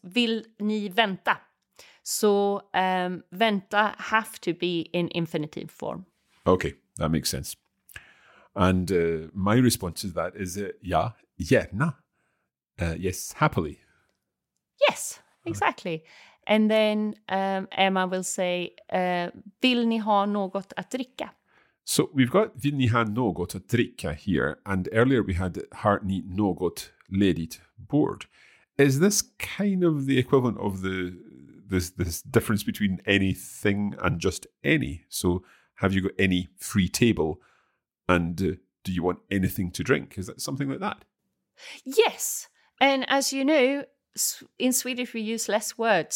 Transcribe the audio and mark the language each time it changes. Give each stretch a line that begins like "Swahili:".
Swedish: Vill ni vänta?
English: So vänta have to be in infinitive form. Okay. That makes sense. And my response to that is, yes, happily. Yes, exactly. And then Emma will say,
Swedish: vill ni ha något att dricka?
English: So we've got
Swedish: vill ni ha något att dricka
English: here. And earlier we had,
Swedish: har ni något ledigt bord.
English: Is this kind of the equivalent of this difference between anything and just any? So have you got any free table and do you want anything to drink? Is that something like that? Yes. And as you know, in Swedish we use less words.